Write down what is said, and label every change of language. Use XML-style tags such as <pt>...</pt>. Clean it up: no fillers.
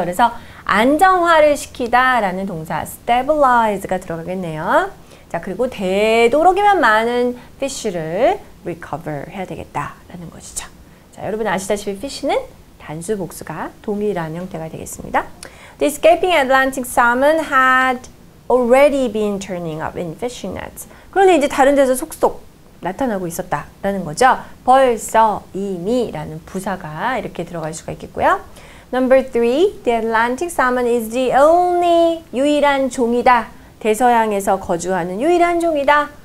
<ko>그래서 안정화를 시키다라는 동사 stabilize가 들어가겠네요. 자, 그리고 되도록이면 많은 fish를 recover 해야 되겠다라는 것이죠. 자, 여러분 아시다시피 fish는 단수 복수가 동일한 형태가 되겠습니다.</ko> <en>The escaping Atlantic salmon had already been turning up in fishing nets.</en> <ko>그런데 이제 다른 데서 속속 나타나고 있었다라는 거죠. 벌써 이미라는 부사가 이렇게 들어갈 수가 있겠고요.</ko> <en>Number three, the Atlantic salmon is the only</en> <ko>유일한 종이다. 대서양에서 거주하는 유일한 종이다.</ko>